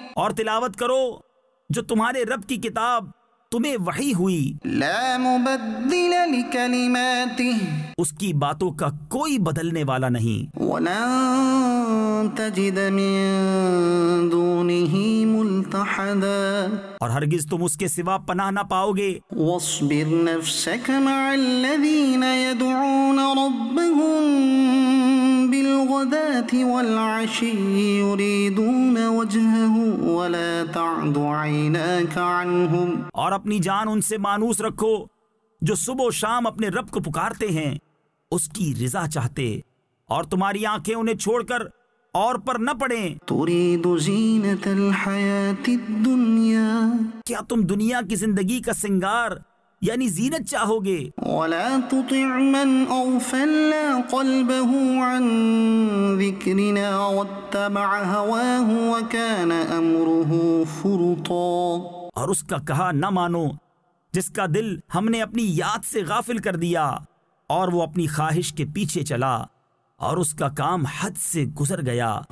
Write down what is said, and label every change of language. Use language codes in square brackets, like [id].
[ur] اور تلاوت کرو جو تمہارے رب کی کتاب تمہیں وحی ہوئی. [ar] لا مبدل لکلماتہ. [ur] اس کی باتوں کا کوئی بدلنے والا نہیں. [ar] ولن تجد من دونہ ملتحدا. [ur] اور ہرگز تم اس کے سوا پناہ نہ پاؤ گے. [ar] واصبر نفسك مع الذين يدعون ربهم ب بالغداة والعشي يريدون وجهه ولا تعد عيناك عنهم. [ur] اور اپنی جان ان سے مانوس رکھو جو صبح و شام اپنے رب کو پکارتے ہیں, اس کی رضا چاہتے, اور تمہاری آنکھیں انہیں چھوڑ کر اور پر نہ پڑیں. [ar] تريد زينة الحياة الدنيا, [ur] کیا تم دنیا کی زندگی کا سنگار یعنی زینت چاہو گے. [ar] ولا تطع من اغفل قلبه عن ذكرنا واتبع هواه وكان امره فرطا. [ur] اور اس کا کہا نہ مانو جس کا دل ہم نے اپنی یاد سے غافل کر دیا اور وہ اپنی خواہش کے پیچھے چلا اور اس کا کام حد سے گزر گیا.